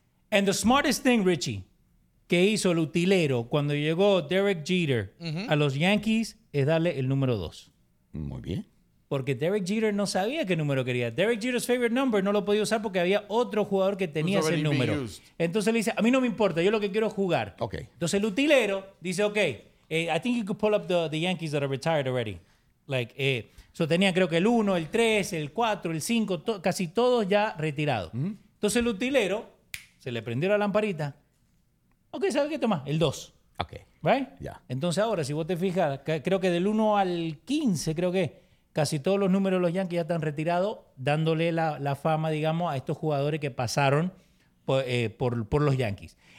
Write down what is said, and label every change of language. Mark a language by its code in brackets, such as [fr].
[en] And the smartest thing, [es] Richie, que hizo el utilero cuando llegó Derek Jeter a los Yankees es darle el número 2. Muy bien. Porque Derek Jeter no sabía qué número quería. Derek Jeter's favorite number no lo podía usar porque había otro jugador que tenía ese número. Entonces le dice, a mí no me importa, yo lo que quiero es jugar. Okay. Entonces el utilero dice, [en] okay, I think you could pull up the Yankees that are retired already. [es] Like, so tenía creo que el 1, el 3, el 4, el 5, casi todos ya retirados. Mm-hmm. Entonces el utilero se le prendió la lamparita. Okay, ¿sabes qué toma? El 2. Okay. ¿Right? Ya. Yeah. Entonces ahora, si vos te fijas, creo que del 1 al 15, creo que casi todos los números de los Yankees ya están retirados, dándole la fama, digamos, a estos jugadores que pasaron por los Yankees.